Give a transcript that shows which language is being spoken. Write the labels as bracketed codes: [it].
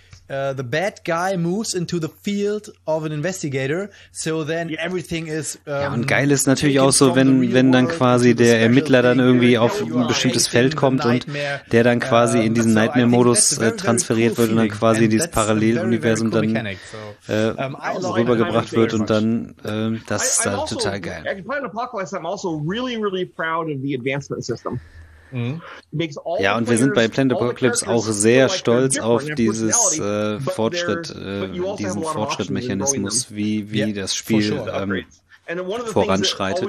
[en] The bad guy moves into the field of an investigator, so then everything is. [de] Ja, und geil ist natürlich auch so, wenn dann quasi der Ermittler dann irgendwie auf ein bestimmtes Feld kommt und der dann quasi in diesen Nightmare-Modus transferiert wird und dann quasi in dieses Paralleluniversum dann rübergebracht wird und dann das ist halt total geil. [en] I'm also really, really proud of the advancement system. [de] Ja, und wir sind bei Planet Apocalypse auch sehr stolz auf dieses Fortschritt, diesen Fortschrittmechanismus, wie das Spiel voranschreitet.